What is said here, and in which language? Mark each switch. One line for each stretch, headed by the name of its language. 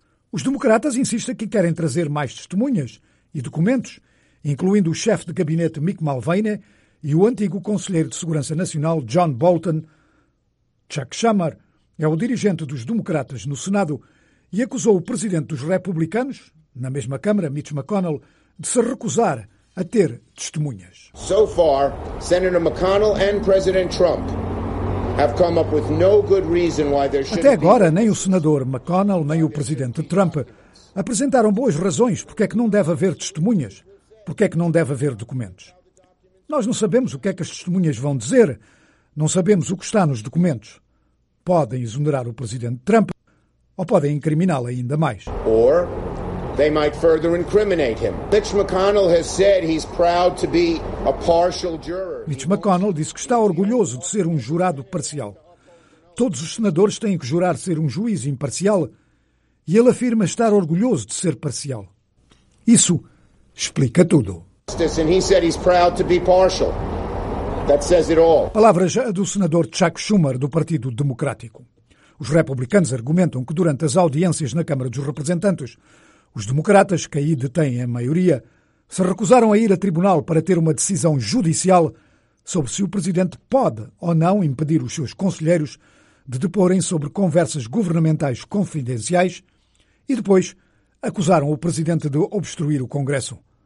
Portuguese: Os democratas insistem que querem trazer mais testemunhas e documentos, incluindo o chefe de gabinete Mick Mulvaney e o antigo conselheiro de Segurança Nacional, John Bolton. Chuck Schumer é o dirigente dos democratas no Senado e acusou o presidente dos republicanos, na mesma Câmara, Mitch McConnell, de se recusar a ter testemunhas.
English: So far, Senator McConnell and President Trump have come up with no good reason why there shouldn't
Portuguese: be. Até agora, nem o senador McConnell nem o presidente Trump apresentaram boas razões porque é que não deve haver testemunhas, porque é que não deve haver documentos. Nós não sabemos o que é que as testemunhas vão dizer, não sabemos o que está nos documentos. Podem exonerar o presidente Trump ou podem incriminá-lo ainda mais.
English: Or they might further incriminate him. Mitch McConnell has said he's proud to be a partial juror.
Portuguese: Mitch McConnell disse que está orgulhoso de ser um jurado parcial. Todos os senadores têm que jurar ser um juiz imparcial e ele afirma estar orgulhoso de ser parcial. Isso explica tudo.
English: And he said he's proud to be partial. That says it all.
Portuguese: Palavras do senador Chuck Schumer, do Partido Democrático. Os republicanos argumentam que durante as audiências na Câmara dos Representantes, os democratas, que aí detêm a maioria, se recusaram a ir a tribunal para ter uma decisão judicial sobre se o presidente pode ou não impedir os seus conselheiros de deporem sobre conversas governamentais confidenciais e depois acusaram o presidente de obstruir o Congresso.